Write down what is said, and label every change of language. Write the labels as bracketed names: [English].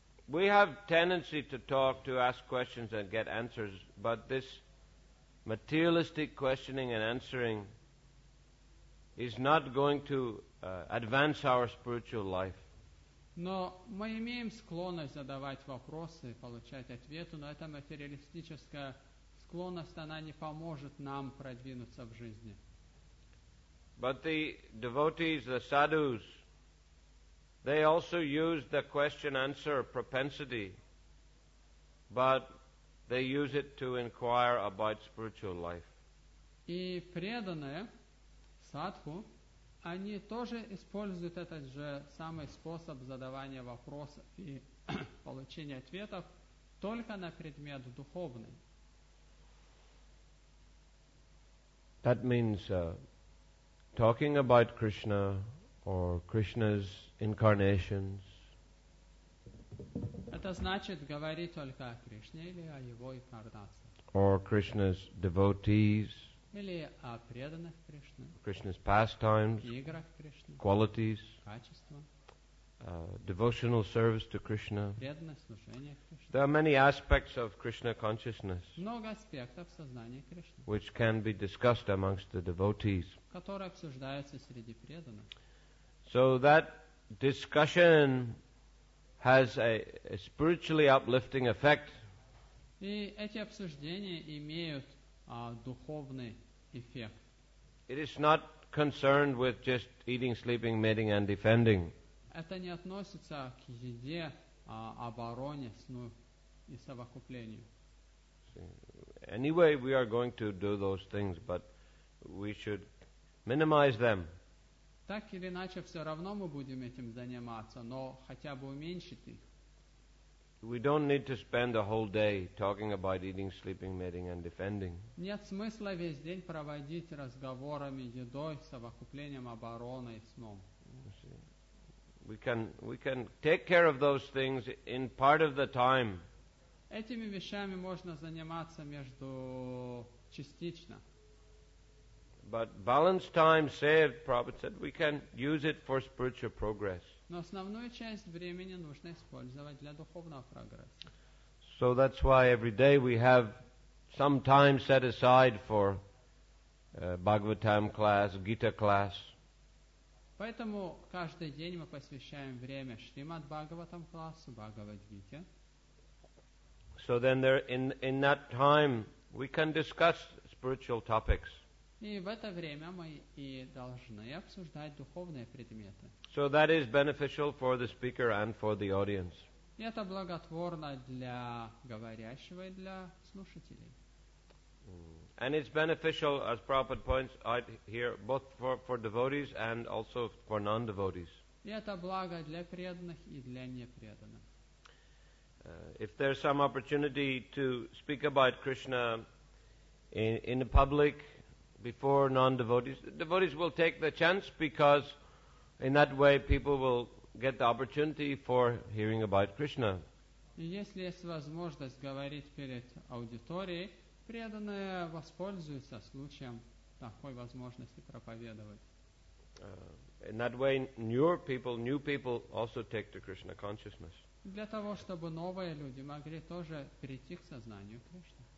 [English] We have tendency to talk, to ask questions and get answers, but this materialistic questioning and answering is not going to advance our spiritual life. [Russian] Но мы имеем склонность задавать вопросы, получать ответы, но эта материалистическая склонность, она не поможет нам продвинуться в жизни. [English] But the devotees, the sadhus, they also use the question-answer propensity, but they use it to inquire about spiritual life. [Russian] И преданные садху, они тоже используют этот же самый способ задавания вопросов и получения ответов только на предмет духовный. [English] That means talking about Krishna or Krishna's incarnations. [Russian] Это значит говорить только о Кришне или о его инкарнации. [English] Or Krishna's devotees. [Russian] Или о преданных Кришне. [English] Krishna's pastimes. [Russian] Играх Кришне. [English] Qualities. [Russian] Качества. [English] Devotional service to Krishna. [Russian] Преданное служение Кришне. [English] There are many aspects of Krishna consciousness. [Russian] Много аспектов сознания Кришны. [English] Which can be discussed amongst the devotees. [Russian] Которые обсуждаются среди преданных. [English] So that discussion has a spiritually uplifting effect. [Russian] И эти обсуждения имеют духовный эффект. [English] It is not concerned with just eating, sleeping, mating and defending. [Russian] Это не относится к еде, обороне, сну и совокуплению. [English] Anyway, we are going to do those things, but we should minimize them. [Russian] Так или иначе, все равно мы будем этим заниматься, но хотя бы уменьшить их. [English] We don't need to spend a whole day talking about eating, sleeping, mating and defending. [Russian] Нет смысла весь день проводить разговорами, едой, совокуплением, обороной, сном. [English] We can take care of those things in part of the time. [Russian] Этими вещами можно заниматься между частично. [English] But balanced time saved, Prabhupada said, we can use it for spiritual progress. [Russian] Но основную часть времени нужно использовать для духовного прогресса. [English] So that's why every day we have some time set aside for Bhagavatam class, Gita class. [Russian] Поэтому каждый день мы посвящаем время Шримад Бхагаватам классу, Бхагавад Гите. [English] So then there in that time we can discuss spiritual topics. [Russian] И в это время мы и должны обсуждать духовные предметы. [English] So that is beneficial for the speaker and for the audience. [Russian] И это благотворно для говорящего и для слушателей. [English] And it's beneficial, as Prabhupada points out here, both for devotees and also for non-devotees. [Russian] И это благо для преданных и для непреданных. [English] If there's some opportunity to speak about Krishna in the public before non-devotees, devotees will take the chance because in that way people will get the opportunity for hearing about Krishna. [Russian] Если есть возможность говорить перед аудиторией, преданные воспользуются случаем такой возможности проповедовать. Для того, чтобы новые люди могли тоже прийти к сознанию Кришны.